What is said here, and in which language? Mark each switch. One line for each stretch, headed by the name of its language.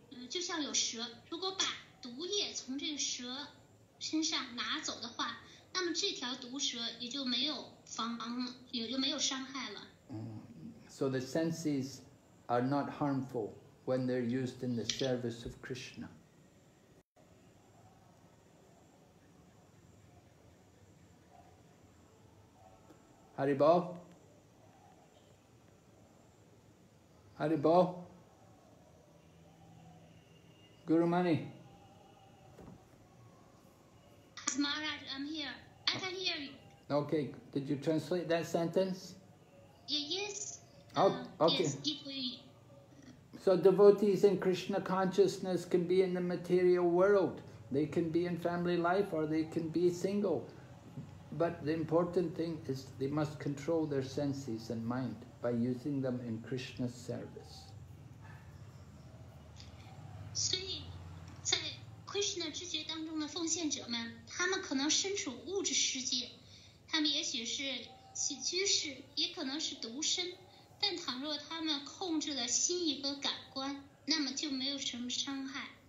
Chinese: 就像有蛇，如果把毒液从这个蛇身上拿走的话，那么这条毒蛇也就没有防，也就没有伤害了。
English: So the senses are not harmful when they're used in the service of Krishna. Haribol? Haribol? Guru Mani? Yes, Maharaj, I'm here. I can hear you. Okay, did you translate that sentence? Yeah, yes. Oh, okay. Yes, if we... So devotees in Krishna consciousness can be in the material world. They can be in family life or they can be single. But the important thing is they must control their senses and mind by using them in Krishna's service.
Chinese: 所以在 Krishna 之觉当中的奉献者们，他们可能身处物质世界，他们也许是居士，也可能是独身，但倘若他们控制了心意和感官，那么就没有什么伤害。